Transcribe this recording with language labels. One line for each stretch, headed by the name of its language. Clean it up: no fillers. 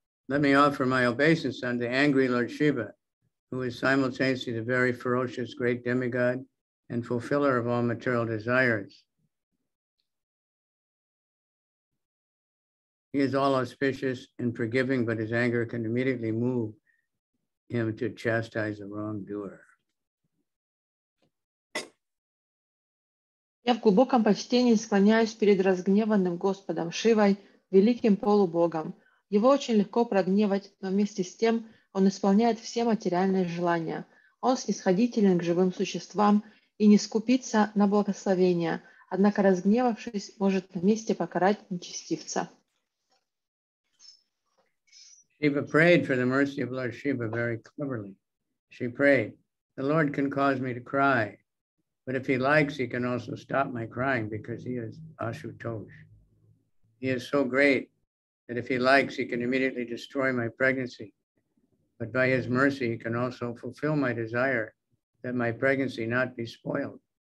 English: Let me offer my obeisance unto the angry Lord Shiva, who is simultaneously the very ferocious great demigod and fulfiller of all material desires. He is all auspicious and forgiving, but his anger can immediately move him to chastise a wrongdoer.
Russian: Я в глубоком почтении склоняюсь перед разгневанным Господом Шивой, великим полубогом. Его очень легко прогневать, но вместе с тем он исполняет все материальные желания. Он снисходителен к живым существам и не скупится на благословения. Однако разгневавшись, может вместе покарать нечестивца.
English: Shiva prayed for the mercy of Lord Shiva very cleverly. She prayed, the Lord can cause me to cry, but if he likes, he can also stop my crying because he is Ashutosh. He is so great that if he likes, he can immediately destroy my pregnancy, but by his mercy, he can also fulfill my desire that my pregnancy not be spoiled.